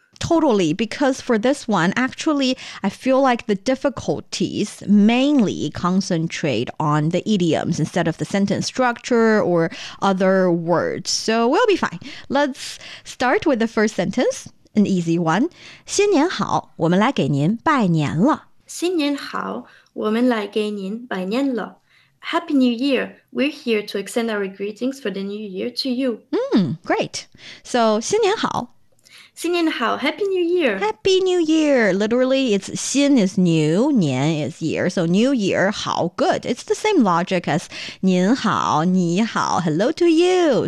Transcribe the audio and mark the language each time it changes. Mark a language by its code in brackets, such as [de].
[en] Totally, because for this one, actually, I feel like the difficulties mainly concentrate on the idioms instead of the sentence structure or other words. So we'll be fine. Let's start with the first sentence, an easy one. [zh] 新年好，我们来给您拜年了。新年好，我们来给您拜年了。 [en] Happy New Year! We're here to extend our greetings for the new year to you. Great! So, [zh] 新年好。新年好， [en] Happy New Year! Happy New Year! Literally, it's 新 is new, 年 is year. So, New Year, 好 good. It's the same logic as [zh] 您好，你好， [en] hello to you.